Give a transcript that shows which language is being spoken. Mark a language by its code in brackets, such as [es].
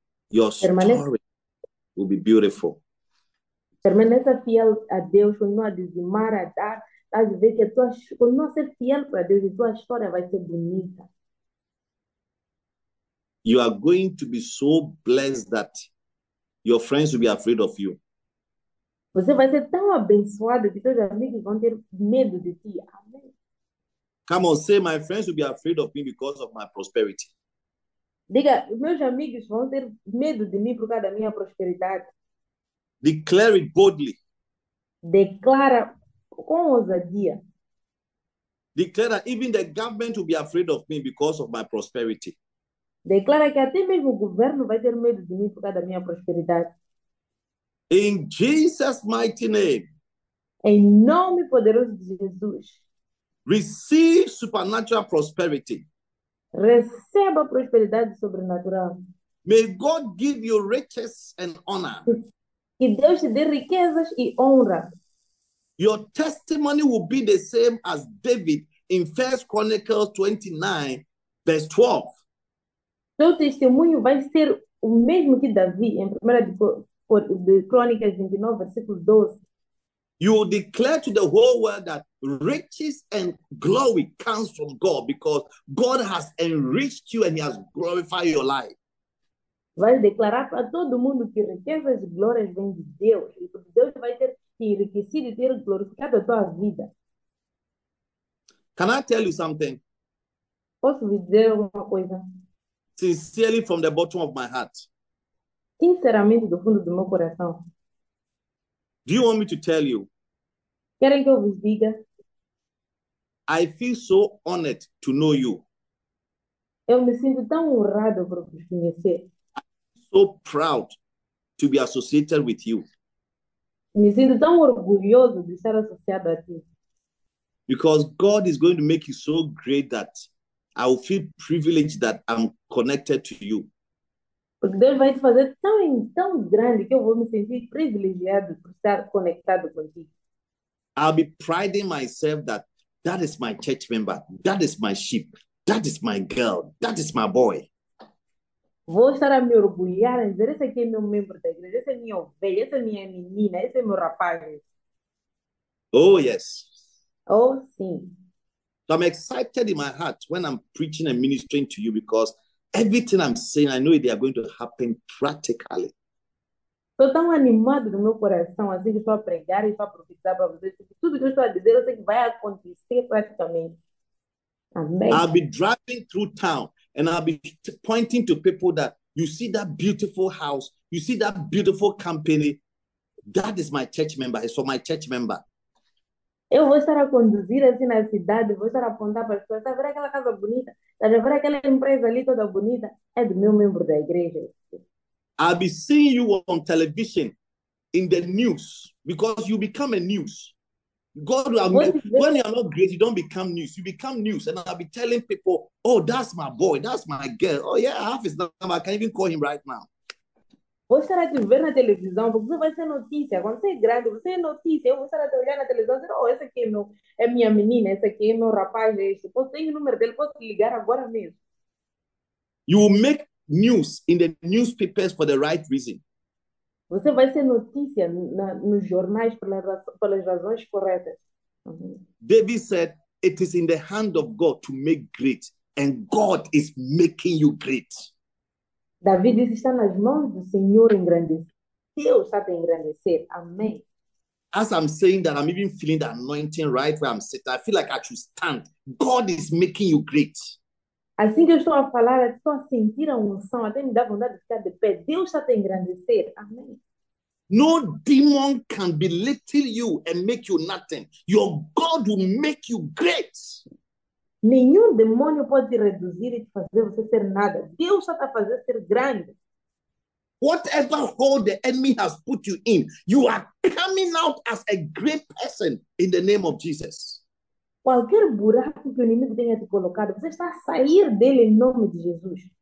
[en] Your [pt] Permanece. [en] story will be beautiful. [pt] Permaneça fiel a Deus, continua a dizimar, a dar, a ver que a tua, continua a ser fiel para Deus e tua história vai ser bonita. [en] You are going to be so blessed that your friends will be afraid of you. [pt] Você vai ser tão abençoado que teus amigos vão ter medo de ti. Amém. [en] Come on, say, my friends will be afraid of me because of my prosperity. [pt] Diga, meus amigos vão ter medo de mim por causa da minha prosperidade. [en] Declare it boldly. [pt] Declara com ousadia. [en] Declare that even the government will be afraid of me because of my prosperity. [pt] Declara que até mesmo o governo vai ter medo de mim por causa da minha prosperidade. [en] In Jesus' mighty name, [pt] Em nome poderoso de Jesus. [en] Receive supernatural prosperity. [pt] Receba prosperidade sobrenatural. [en] May God give you riches and honor. [pt] Que Deus te dê riquezas e honra. [en] Your testimony will be the same as David in 1 Chronicles 29, verse 12. [pt] Seu testemunho vai ser o mesmo que Davi em 1 Chronicles 29, versículo 12. [en] You will declare to the whole world that riches and glory comes from God because God has enriched you and he has glorified your life. [pt] Vai declarar para todo mundo que riquezas e glórias vêm de Deus. E porque Deus vai ter enriquecido e ter glorificado a tua vida. [en] Can I tell you something? [pt] Posso lhe dizer uma coisa? [en] Sincerely from the bottom of my heart. [pt] Sinceramente do fundo do meu coração. [en] Do you want me to tell you? [pt] Querem que eu vos diga? [en] I feel so honored to know you. [pt] Eu me sinto tão honrado por vos conhecer. [en] So proud to be associated with you. [pt] Me sinto tão orgulhoso de estar associado a ti. [en] Because God is going to make you so great that I will feel privileged that I'm connected to you. [pt] Porque Deus vai te fazer tão grande que eu vou me sentir privilegiado por estar conectado contigo. [en] I'll be priding myself that that is my church member, that is my sheep, that is my girl, that is my boy. [pt] Vou estar a me orgulhar em dizer, esse aqui é meu membro da igreja, esse é minha ovelha, essa é minha menina, esse é meu rapaz. [en] Oh, yes. [pt] Oh, sim. [en] So I'm excited in my heart when I'm preaching and ministering to you because everything I'm saying, I know they are going to happen practically. [pt] Estou tão animado no meu coração, assim que estou a pregar e estou a profetizar para vocês, porque tudo que eu estou a dizer, eu sei que vai acontecer praticamente. Amém. [en] I'll be driving through town and I'll be pointing to people that you see that beautiful house, you see that beautiful company, that is my church member, it's for my church member. [pt] Eu vou estar a conduzir assim na cidade, vou estar a apontar para as pessoas, está a ver aquela casa bonita, está a ver aquela empresa ali toda bonita, é do meu membro da igreja. [en] I'll be seeing you on television, in the news, because you become a news. God, when you are not great, you don't become news. You become news. And I'll be telling people, oh, that's my boy, that's my girl. Oh, yeah, I have his number. I can't even call him right now. [pt] Vou estar a te ver na televisão, porque você vai ser notícia. Quando você é grande, você é notícia. Eu vou estar a te olhar na televisão e dizer, oh, essa aqui é minha menina, essa aqui é meu rapaz. Posso ter o número dele, posso ligar agora mesmo. [en] You will make news in the newspapers for the right reason. [pt] Você vai ser notícia nos jornais pelas razões corretas. [en] David said, it is in the hand of God to make great, and God is making you great. [pt] David disse, está nas mãos do Senhor engrandecer. Deus está a engrandecer. Amém. [en] As I'm saying that, I'm even feeling the anointing right where I'm sitting. I feel like I should stand. God is making you great. [pt] Assim que eu estou a falar, estou a sentir a unção. Até me dá vontade de ficar de pé. Deus está a engrandecer. Amém. [en] No demon can belittle you and make you nothing. Your God will make you great. [pt] Nenhum demônio pode reduzir e fazer você ser nada. Deus só está a fazer ser grande. [en] Whatever hole the enemy has put you in, you are coming out as a great person in the name of Jesus. [pt] Qualquer buraco que o inimigo tenha te colocado, você está a sair dele em nome de Jesus.